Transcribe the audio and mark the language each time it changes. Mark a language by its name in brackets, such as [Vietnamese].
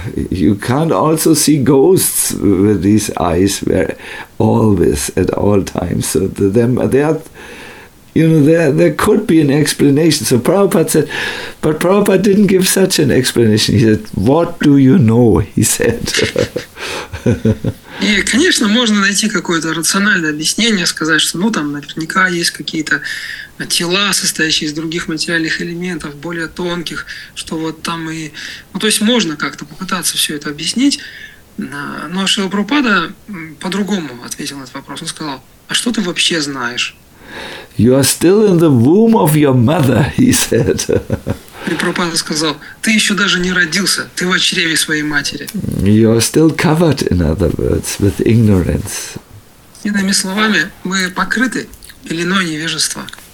[English] You can't also see ghosts with these eyes, where always at all times. So there could be an explanation. So Prabhupada said, but Prabhupada didn't give such an explanation. He said, "What do you know?" He said. [Russian] И, конечно, можно найти какое-то рациональное объяснение, сказать, что, ну, там, наверняка есть какие-то тела, состоящие из других материальных элементов, более тонких, что вот там и... Ну, то есть можно как-то попытаться все это объяснить, но Шрила Прабхупада по-другому ответил на этот вопрос. Он сказал, а что ты вообще знаешь? [English] You are still in the womb of your mother, he said. [Russian] И Прабхупада сказал, ты еще даже не родился, ты в чреве своей матери. [English] You are still covered, in other words, with ignorance. [Russian] Иными словами, мы покрыты пеленой невежества.